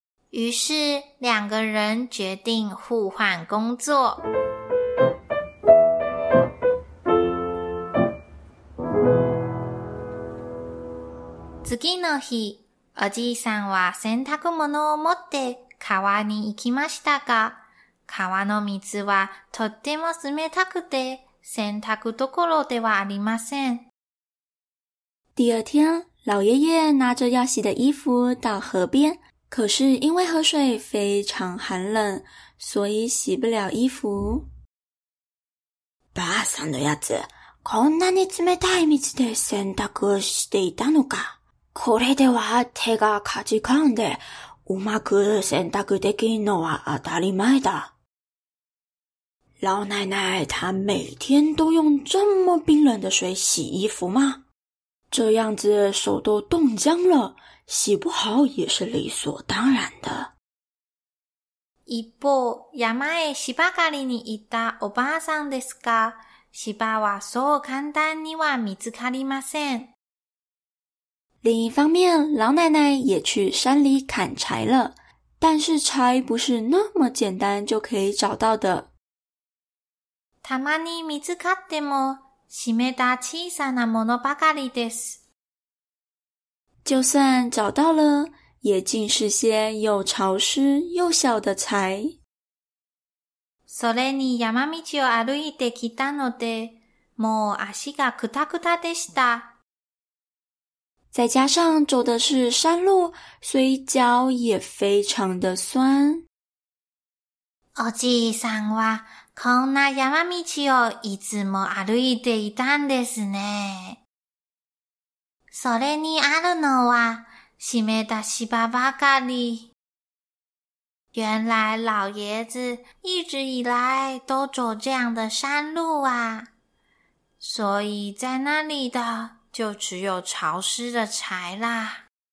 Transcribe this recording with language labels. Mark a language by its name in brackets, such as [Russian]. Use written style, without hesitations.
[Chinese] 于是、两个人决定互换工作。 [Japanese] 次の日、おじいさんは洗濯物を持って川に行きましたが、川の水はとっても冷たくて、洗濯どころではありません。 [Chinese] 第二天、老爷爷拿着要洗的衣服到河边、可是因为河水非常寒冷、所以洗不了衣服。 [Japanese] ばあさんのやつ、こんなに冷たい水で洗濯をしていたのか。これでは手がかじかんで、うまく洗濯できんのは当たり前だ。 [Chinese] 老奶奶、她每天都用这么冰冷的水洗衣服吗？这样子手都冻僵了、洗不好也是理所当然的。 [Japanese] 一方、山へ芝刈りに行ったおばあさんですが、芝はそう簡単には見つかりません。 [Chinese] 另一方面，老奶奶也去山里砍柴了，但是柴不是那么简单就可以找到的。 [Japanese] たまに見つかっても、湿った小さなものばかりです。 [Chinese] 就算找到了，也尽是些又潮湿又小的柴。 [Japanese] それに山道を歩いてきたので、もう足がくたくたでした。 [Chinese] 再加上走的是山路，所以脚也非常的酸。 [Japanese] おじいさんはこんな山道をいつも歩いていたんですね。それにあるのは湿めた芝ばかり。 [Chinese] 原来老爷子一直以来都走这样的山路啊，所以在那里的就只有潮湿的柴啦。